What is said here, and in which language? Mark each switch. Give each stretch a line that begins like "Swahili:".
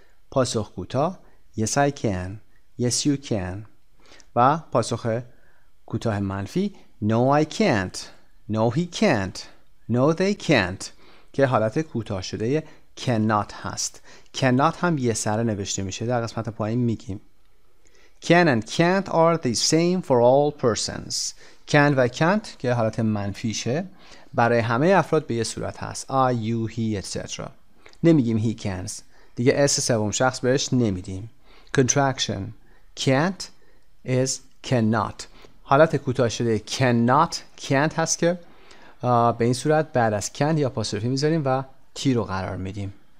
Persian: پاسخ کوتاه
English: Yes I can. Yes you can.
Persian: و پاسخ کوتاه منفی
English: No I can't. No he can't. No they can't.
Persian: که حالت کوتاه شده cannot هست. Cannot هم یه سره نوشته میشه، در قسمت پایین میگیم.
English: Can and can't are the same for all persons.
Persian: Can و can't که حالت منفیشه برای همه افراد به یه صورت هست.
English: I, you, he, etc.
Persian: نمیگیم
English: he can't.
Persian: دیگه اس سوم شخص بهش نمیدیم.
English: Contraction. Can't is cannot.
Persian: حالت کوتاه شده cannot can't هست که به این صورت بعد از can یا apostrophe میذاریم و t رو قرار میدیم.